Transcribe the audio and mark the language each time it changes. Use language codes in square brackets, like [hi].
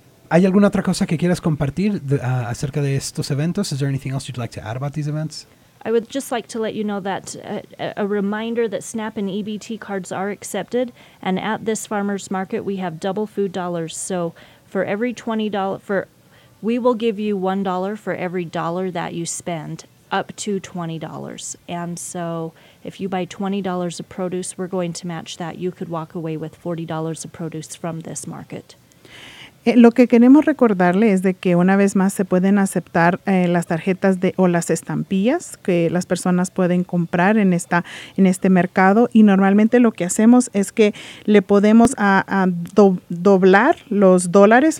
[es] ¿Hay alguna otra cosa que quieras compartir acerca de estos eventos? [en] Is there anything else you'd like to add about these events? I would just like to let you know that a reminder that SNAP and EBT cards are accepted, and at this farmer's market we have double food dollars. So for every $20, we will give you $1 for every dollar that you spend, up to $20. And so if you buy $20 of produce, we're going to match that. You could walk away with $40 of produce from this market. [es] Lo que queremos recordarle es de que una vez más se pueden aceptar las tarjetas de o las estampillas que las personas pueden comprar en esta en este mercado, y normalmente lo que hacemos es que le podemos doblar los dólares.